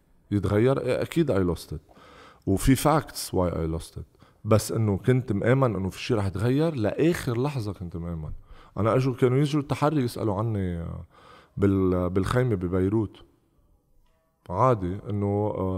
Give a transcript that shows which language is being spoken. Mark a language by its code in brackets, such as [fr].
[ar] يتغير إيه أكيد I lost it. [en] وفي facts why I lost it. [ar] بس انه كنت مآمن انه في شيء رح يتغير لاخر لحظه كنت مآمن انا اجوا كانوا يجوا التحري يسالوا عني بالخيمه ببيروت عادي انه